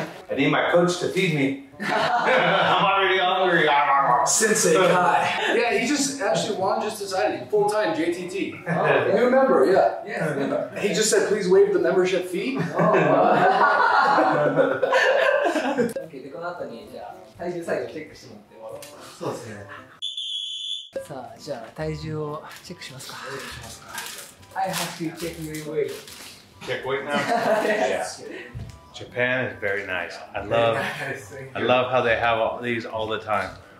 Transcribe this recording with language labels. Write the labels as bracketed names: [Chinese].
[English] I need my coach to feed me. I'm already hungry. Sensei Kai. Yeah, he just actually Juan just decided full time JTT. Oh, new member, yeah. Yeah. He just said please waive the membership fee. [Japanese] Okay, でこの後にじゃあ体重最後チェックしてもらって終わろう。そうですね。さあじゃあ体重をチェックしますか。チェックしますか。 [English] I have to check your weight. Check weight now. Yes. Japan is very nice. I love, I love how they have all these all the time.